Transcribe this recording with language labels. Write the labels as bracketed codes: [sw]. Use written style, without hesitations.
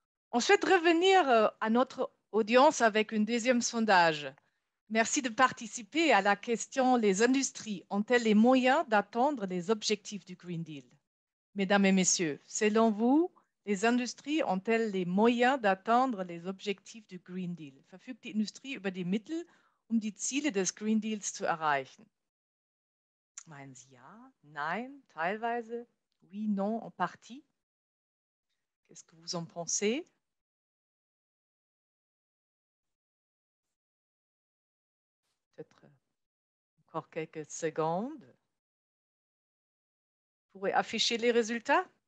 [fr] On souhaite revenir à notre audience avec un deuxième sondage. Merci de participer à la question « Les industries ont-elles les moyens d'atteindre les objectifs du Green Deal ?» Mesdames et messieurs, selon vous, les industries ont-elles les moyens d'atteindre les objectifs du Green Deal ? [de] Verfügt die Industrie über die Mittel, um die Ziele des Green Deals zu erreichen? Meinen Sie ja, nein, teilweise, [fr] oui, non, en partie? Qu'est-ce que vous en pensez? Peut-être encore quelques secondes. Vous pourrez afficher les résultats.